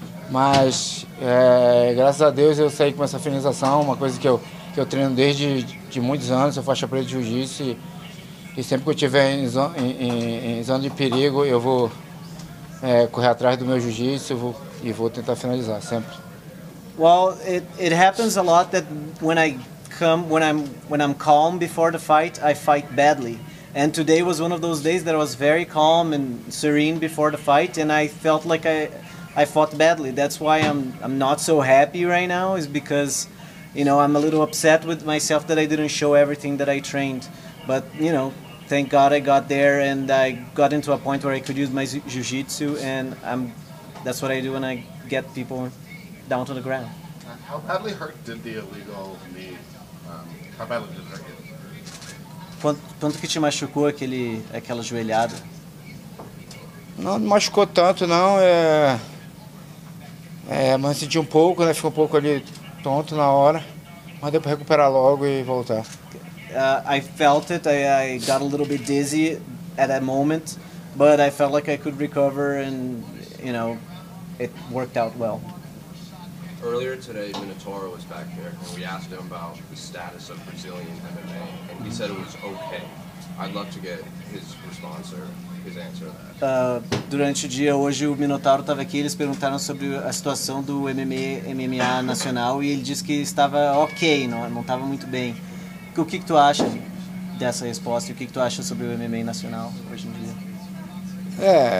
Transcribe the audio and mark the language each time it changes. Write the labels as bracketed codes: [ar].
[pt] Mas, graças a Deus, eu saí com essa finalização, uma coisa que eu treino desde de muitos anos, sou faixa preta de jiu-jitsu. E sempre que eu estiver em zona de perigo, eu vou correr atrás do meu jiu-jitsu e vou tentar finalizar, sempre. [en] Well, it happens a lot that when I'm calm before the fight, I fight badly. And today was one of those days that I was very calm and serene before the fight, and I felt like I fought badly. That's why I'm not so happy right now, is because, you know, I'm a little upset with myself that I didn't show everything that I trained. But, you know, thank God I got there and I got into a point where I could use my jiu-jitsu, and that's what I do when I get people down to the ground. How badly hurt did the illegal knee, how badly did it hurt you? [pt] Quanto que te machucou aquela joelhada? Não machucou tanto, não. Mas senti um pouco, né? Ficou um pouco ali tonto na hora. Mas deu para recuperar logo e voltar. [en] I felt it. I got a little bit dizzy at that moment. But I felt like I could recover and, you know, it worked out well. Earlier today, Minotauro was back here, and we asked him about the status of Brazilian MMA, and he said it was okay. I'd love to get his response or his answer to that. [pt] Durante o dia hoje, o Minotauro estava aqui, eles perguntaram sobre a situação do MMA nacional, e ele disse que estava ok, não estava muito bem. O que tu acha dessa resposta? O que tu acha sobre o MMA nacional hoje em dia?